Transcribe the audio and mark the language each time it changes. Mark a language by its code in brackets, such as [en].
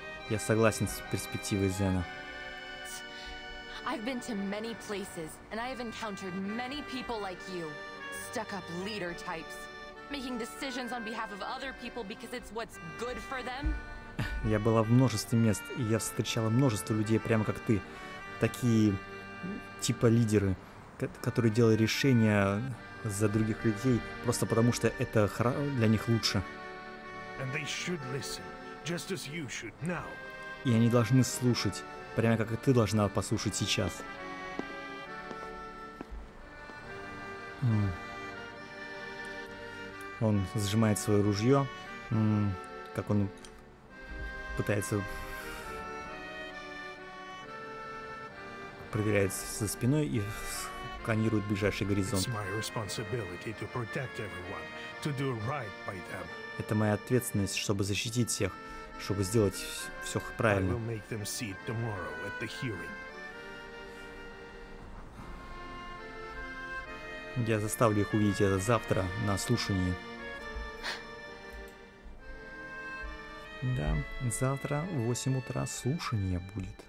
[ru] Я согласен с перспективой Зена. [en] I've been to many places, and I have encountered many people like you. Stuck-up leader types. Making decisions on behalf of other people because it's what's good for them. [ru] Я была в множестве мест, и я встречала множество людей, прямо как ты. Такие, типа, лидеры, которые делают решения за других людей, просто потому что это для них лучше. [en] And they should listen, just as you should now. [ru] И они должны слушать, прямо как и ты должна послушать сейчас. Он сжимает свое ружье, как он пытается проверяет со спиной и сканирует ближайший горизонт. [en] It's my responsibility to protect everyone, to do right by them. [ru] Это моя ответственность, чтобы защитить всех, чтобы сделать все правильно. [en] I will make them see it tomorrow at the hearing. [ru] Я заставлю их увидеть это завтра на слушании. Да, завтра в 8 утра слушание будет.